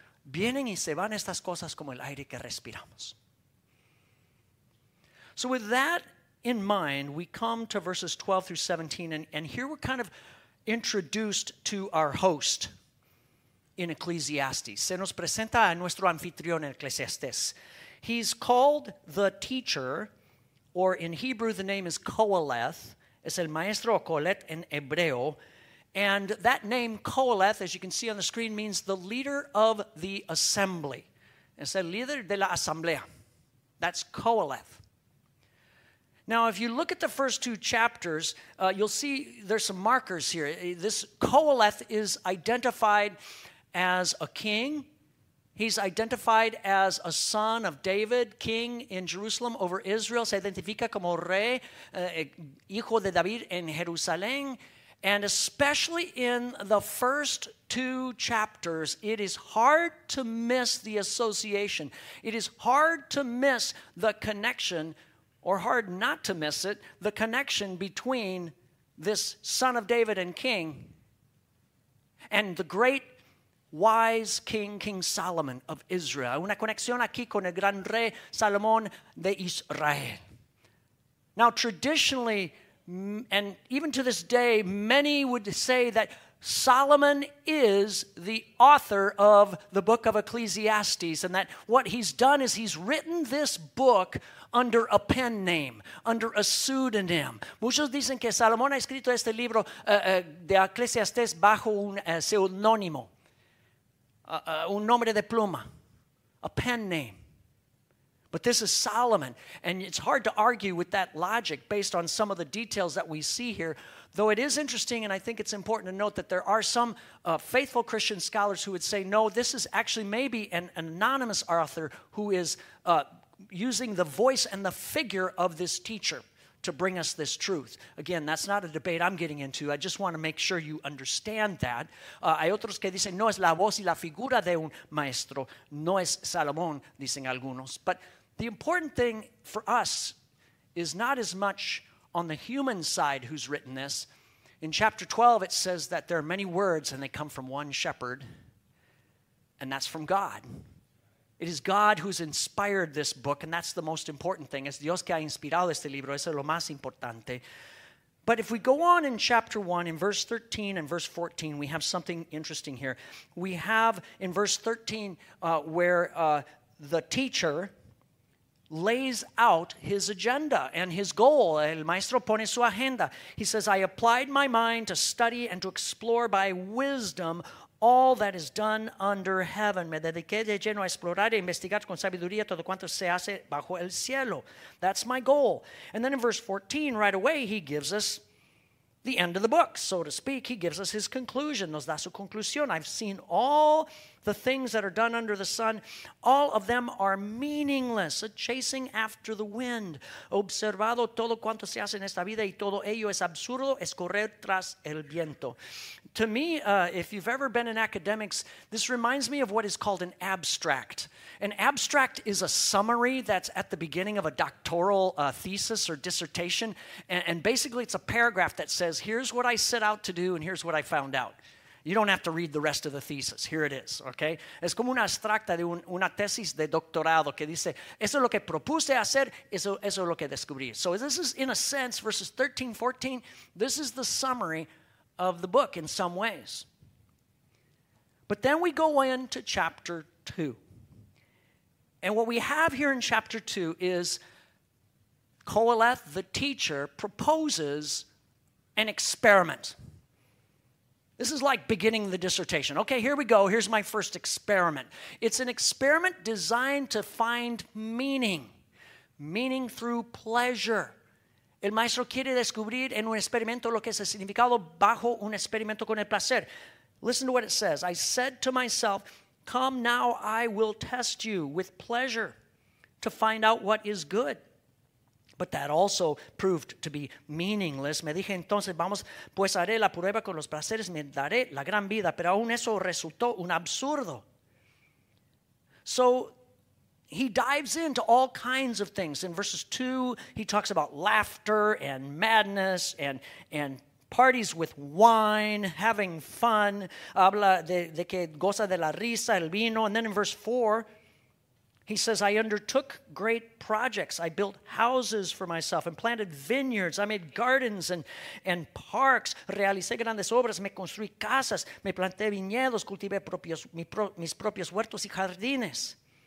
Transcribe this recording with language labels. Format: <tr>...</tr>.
<es>Vienen y se van estas cosas como el aire que respiramos.</es> <en>So with that in mind, we come to verses 12 through 17, and here we're kind of introduced to our host in Ecclesiastes.</en> <es>Se nos presenta a nuestro anfitrión en Ecclesiastes.</es> <en>He's called the teacher, or in Hebrew the name is Koheleth.</en> <es>Es el maestro Koheleth en hebreo.</es> <en>And that name, Koheleth, as you can see on the screen, means the leader of the assembly.</en> <es>Es el líder de la asamblea.</es> <en>That's Koheleth. Now, if you look at the first two chapters, you'll see there's some markers here. This Koheleth is identified as a king. He's identified as a son of David, king in Jerusalem over Israel.</en> <es>Se identifica como rey, hijo de David en Jerusalén.</es> <en>And especially in the first two chapters, it is hard to miss the association. It is hard to miss the connection, or hard not to miss it, the connection between this son of David and king and the great wise king, King Solomon of Israel.</en> <es>Una conexión aquí con el gran rey Salomón de Israel.</es> <en>Now, traditionally, and even to this day, many would say that Solomon is the author of the book of Ecclesiastes, and that what he's done is he's written this book under a pen name, under a pseudonym.</en> <es>Muchos dicen que Salomón ha escrito este libro de Ecclesiastes bajo un pseudónimo, un nombre de pluma,</es> <en>a pen name. But this is Solomon, and it's hard to argue with that logic based on some of the details that we see here. Though it is interesting, and I think it's important to note that there are some faithful Christian scholars who would say, no, this is actually maybe an anonymous author who is using the voice and the figure of this teacher to bring us this truth. Again, that's not a debate I'm getting into. I just want to make sure you understand that.</en> <es>Hay otros que dicen, no es la voz y la figura de un maestro, no es Salomón, dicen algunos.</es> <en>But the important thing for us is not as much on the human side who's written this. In chapter 12, it says that there are many words and they come from one shepherd, and that's from God. It is God who's inspired this book, and that's the most important thing.</en> <es>Es Dios que ha inspirado este libro. Eso es lo más importante.</es> <en>But if we go on in chapter 1, in verse 13 and verse 14, we have something interesting here. We have in verse 13 where the teacher lays out his agenda and his goal.</en> <es>El maestro pone su agenda.</es> <en>He says, I applied my mind to study and to explore by wisdom all that is done under heaven.</en> <es>Me dediqué de lleno a explorar e investigar con sabiduría todo cuanto se hace bajo el cielo.</es> <en>That's my goal. And then in verse 14, right away, he gives us the end of the book, so to speak. He gives us his conclusion.</en> <es>Nos da su conclusión.</es> <en>I've seen all the things that are done under the sun. All of them are meaningless, a chasing after the wind.</en> <es>Observado todo cuanto se hace en esta vida y todo ello es absurdo, es correr tras el viento.</es> <en>To me, if you've ever been in academics, this reminds me of what is called an abstract. An abstract is a summary that's at the beginning of a doctoral thesis or dissertation. And basically, it's a paragraph that says, here's what I set out to do and here's what I found out. You don't have to read the rest of the thesis. Here it is, okay?</en> <es>Es como una abstracta de una tesis de doctorado que dice, eso es lo que propuse hacer, eso es lo que descubrí.</es> <en>So this is, in a sense, verses 13, 14, this is the summary of the book in some ways. But then we go into chapter 2. And what we have here in chapter 2 is Koheleth, the teacher, proposes an experiment. This is like beginning the dissertation. Okay, here we go. Here's my first experiment. It's an experiment designed to find meaning. Meaning through pleasure.</en> <es>El maestro quiere descubrir en un experimento lo que es el significado bajo un experimento con el placer.</es> <en>Listen to what it says. I said to myself, come now, I will test you with pleasure to find out what is good. But that also proved to be meaningless.</en> <es>Me dije entonces, vamos, pues haré la prueba con los placeres, me daré la gran vida. Pero aún eso resultó un absurdo.</es> <en>So he dives into all kinds of things. In verses 2, he talks about laughter and madness and parties with wine, having fun.</en> <es>Habla de que goza de la risa, el vino.</es> <en>And then in verse 4, he says, I undertook great projects. I built houses for myself and planted vineyards. I made gardens and parks.</en> <es>Realicé grandes obras. Me construí casas. Me planté viñedos. Cultivé mis propios huertos y jardines.</es>